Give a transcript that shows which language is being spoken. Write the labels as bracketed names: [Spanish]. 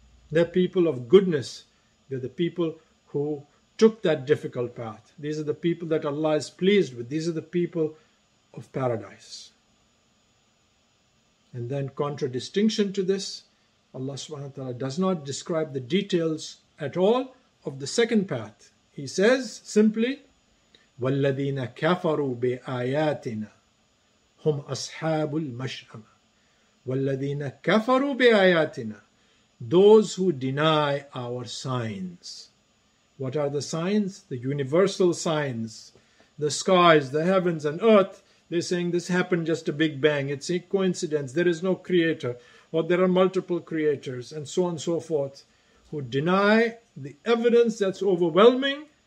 [English] They're people of goodness. They're the people who took that difficult path. These are the people that Allah is pleased with. These are the people of paradise. And then contradistinction to this, Allah subhanahu wa ta'ala does not describe the details at all of the second path. He says simply, [Arabic] وَالَّذِينَ كَفَرُوا بِآيَاتِنَا هُمْ أَصْحَابُ الْمَشْأَمَةِ. وَالَّذِينَ كَفَرُوا بِآيَاتِنَا. [English] Those who deny our signs. What are the signs? The universal signs. The skies, the heavens and earth. They're saying this happened just a big bang. It's a coincidence. There is no creator. Or there are multiple creators. And so on and so forth. Who deny the evidence that's overwhelming.